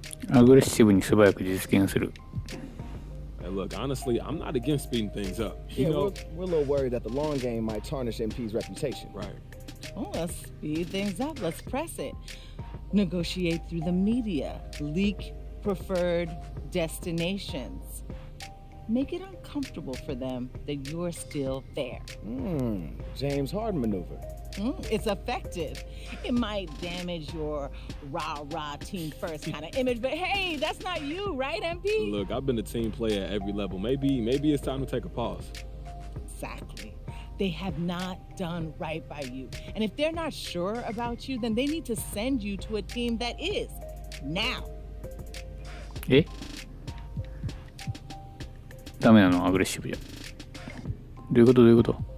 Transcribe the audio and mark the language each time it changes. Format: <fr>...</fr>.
<ja>アグレッシブに素早く実現する。</ja> <en>Hey, look, honestly, I'm not against speeding things up. You yeah, know? We're a little worried that the long game might tarnish MP's reputation. Right. Well, let's speed things up. Let's press it. Negotiate through the media. Leak preferred destinations. Make it uncomfortable for them that you're still there. Hmm. James Harden maneuver. Mm, it's effective. It might damage your rah-rah team first kind of image, but hey, that's not you, right, MP? Look, I've been a team player at every level. Maybe it's time to take a pause. Exactly. They have not done right by you. And if they're not sure about you, then they need to send you to a team that is. Now. Eh?</en> <ja>ダメなの、アグレッシブじゃ。どういうこと、どういうこと。</ja>